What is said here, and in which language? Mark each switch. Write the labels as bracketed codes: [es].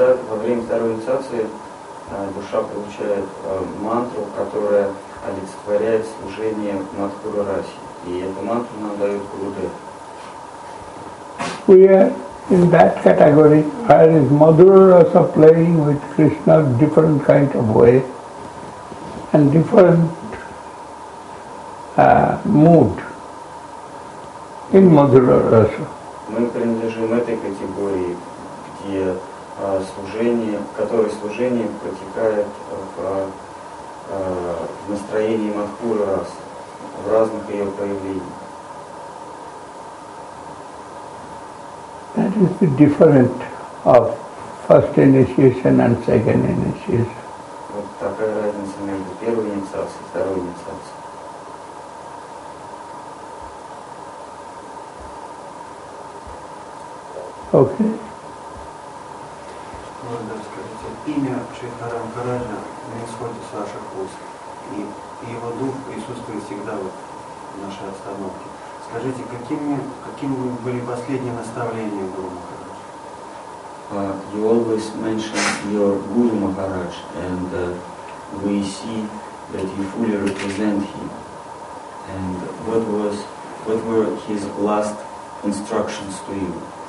[ru] Во время второй инициации душа получает мантру, которая олицетворяет служение Мадхура Раси. И эту мантру нам дает Гурудев. [en] We are in that category, where is Madhura Rasa playing with Krishna different kind of way and different mood. In Madhura Rasa. [ru] Мы принадлежим этой категории, где служение, в которой служение протекает в настроении Мадхура Рас, в разных ее проявлениях. [en] That is the different of first initiation and second initiation. [ru] Вот такая разница между первой инициацией и второй инициацией. Окей. Можно скажите, имя Шридхарам Караджа на исходе с ваших уст, и его дух присутствует всегда вот в нашей обстановке. Скажите, какими были последние наставления Гуру Махараджа? [en] You always mention your Guru Maharaj, and we see that you fully represent him. And what were his last instructions to you?